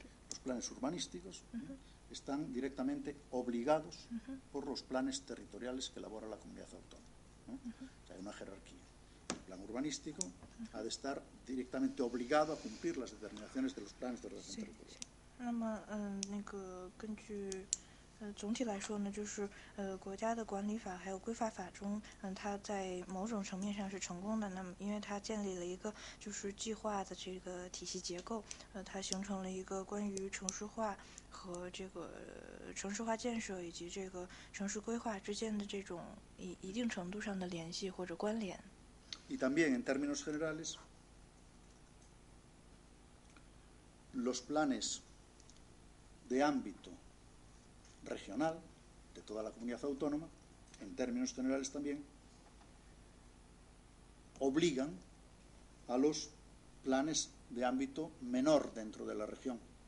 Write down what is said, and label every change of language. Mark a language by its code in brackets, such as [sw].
[es] los planes urbanísticos. Están directamente obligados por los planes territoriales que elabora la comunidad autónoma, ¿no? O sea, hay una jerarquía. El plan urbanístico ha de estar directamente obligado a cumplir las determinaciones de los planes de ordenación territorial. [zh] 那么，那个根据，总体来说呢，就是国家的管理法还有规划法中，它在某种层面上是成功的。那么，因为它建立了一个就是计划的这个体系结构，它形成了一个关于城市化和这个城市化建设以及这个城市规划之间的这种一定程度上的联系或者关联。 [es] Y también en términos generales, los planes de ámbito regional de toda la comunidad autónoma, en términos generales también, obligan a los planes de ámbito menor dentro de la región.